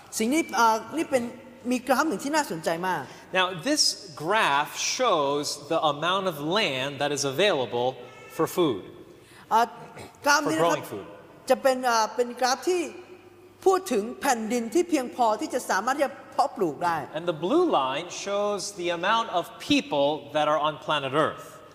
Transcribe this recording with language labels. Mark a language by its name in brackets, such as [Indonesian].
[Thai] สิ่งนี้นี่เป็นมีกราฟหนึ่งที่น่าสนใจมาก [English] Now this graph shows the amount of land that is available for food [Thai] กราฟนี้นะครับจะเป็นกราฟที่พูดถึงแผ่นดินที่เพียงพอที่จะสามารถจะเพาะปลูกได้ [English] And the blue line shows the amount of people that are on planet earth